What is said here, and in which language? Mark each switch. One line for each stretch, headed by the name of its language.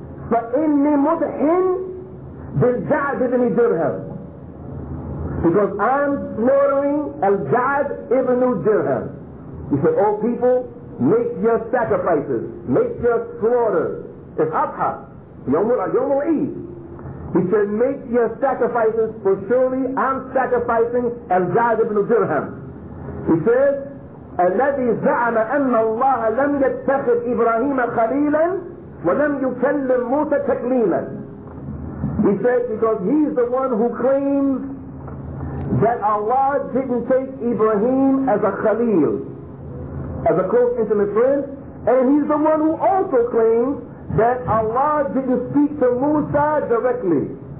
Arabic: فإني مدحن بالجعد ابن درهم.
English: Because I'm slaughtering الجعد ابن درهم. He said, all people, make your sacrifices, make your slaughters. It's Adha,
Arabic: يوم العيد.
English: He said, make your sacrifices, for surely I'm sacrificing Al-Ja'd ibn Dirham. He says,
Arabic: الَّذِي زَعَمَ أَنَّ اللَّهَ لَمْ يَتَّخِذْ إِبْرَاهِيمَ خَلِيلًا وَلَمْ يُكَلِّمْ مُوسَى تَكْلِيمًا.
English: He said, because he's the one who claims that Allah didn't take Ibrahim as a Khalil, as a close intimate friend, and he's the one who also claims that Allah didn't speak to Musa directly.